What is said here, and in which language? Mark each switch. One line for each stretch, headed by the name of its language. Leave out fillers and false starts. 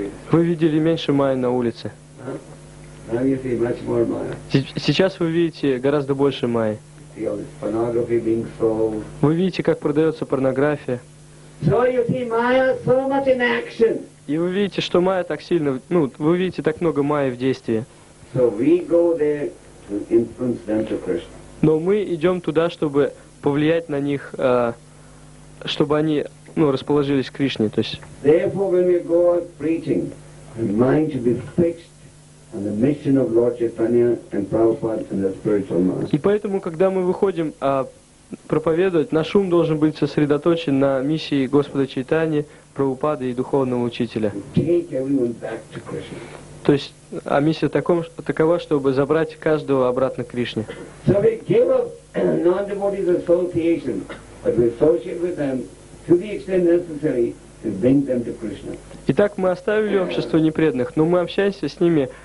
Russian: Вы видели меньше майя на улице.
English: Now you see much more Maya.
Russian: Сейчас вы видите гораздо больше майя. Вы видите, как продается порнография.
English: So you see Maya so much in action.
Russian: И вы видите, что майя так сильно, ну, вы видите так много майя в действии.
English: So we go there to influence them to Krishna.
Russian: Но мы идем туда, чтобы повлиять на них, чтобы они, ну, расположились к Кришне, то есть.
English: Therefore, when we go out preaching, our mind should be fixed. And the mission of Lord Chaitanya and Prabhupada and the spiritual master.
Russian: И поэтому, когда мы выходим проповедовать, наш ум должен быть сосредоточен на миссии Господа Чайтани, Прабхупады и духовного учителя.
English: Take everyone back to Krishna.
Russian: То есть, а миссия такова, чтобы забрать каждого обратно к Кришне.
English: So we give up non-devotees association, but we associate with them to the extent necessary to bring them to Krishna.
Russian: Итак, мы оставили общество непреданных, но мы общаемся с ними.